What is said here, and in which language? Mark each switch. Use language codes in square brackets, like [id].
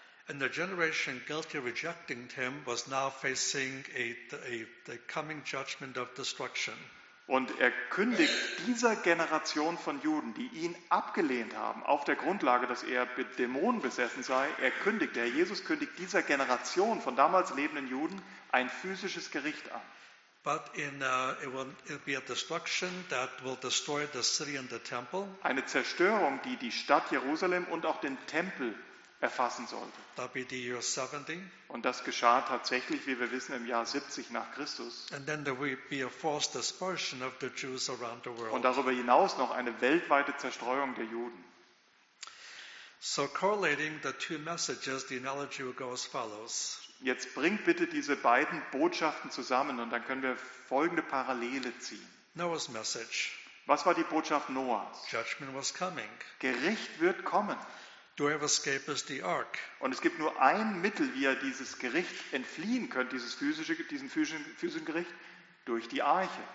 [en] And the generation guilty of rejecting him was now facing the coming judgment of destruction. [de] Und er kündigt dieser Generation von Juden, die ihn abgelehnt haben, auf der Grundlage, dass er mit Dämonen besessen sei, der Herr Jesus kündigt dieser Generation von damals lebenden Juden ein physisches Gericht an. [en] But it will be a destruction that will destroy the city and the temple. [de] Eine Zerstörung, die die Stadt Jerusalem und auch den Tempel erfassen sollte. [en] That'd be the year 70. [de] Und das geschah tatsächlich, wie wir wissen, im Jahr 70 nach Christus. [en] And then there will be a forced dispersion of the Jews around the world. [de] Und darüber hinaus noch eine weltweite Zerstreuung der Juden. [en] So correlating the two messages, the analogy will go as follows. [de] Jetzt bringt bitte diese beiden Botschaften zusammen und dann können wir folgende Parallele ziehen. [en] Noah's message. [de] Was war die Botschaft Noahs? [en] Judgment was coming. [de] Gericht wird kommen. [en] Do have escape is the ark. [de] Und es gibt nur ein Mittel, wie er dieses Gericht entfliehen könnte, diesen physischen Gericht, durch die Arche.